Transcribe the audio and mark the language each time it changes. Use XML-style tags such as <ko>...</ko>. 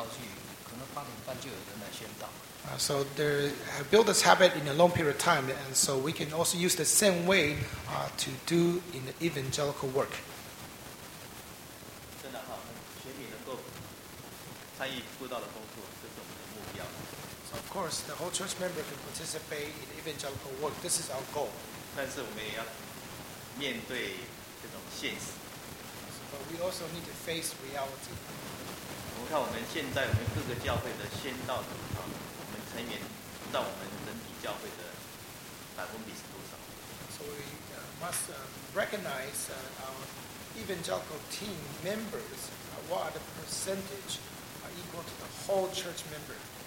<zh>这个是长时间培养出来的。我们如果真的把这个方向带往宣道去，可能八点半就有人来宣道。</zh> <en>So they have built this habit in a long period of time, and so we can also use the same way to do in the evangelical work.</en> <zh>真的，全体能够参与布道的工作，这是我们的目标。</zh> <en>Of course, the whole church member can participate in evangelical work. This is our goal.</en> <zh>但是我们也要面对这种现实。</zh> <en>But we also need to face reality.</en> <zh>我们看我们现在我们各个教会的宣道，我们成员到我们整体教会的百分比是多少？</zh> <en>So we must recognize our evangelical team members. What are the percentage equal to the whole church member?</en>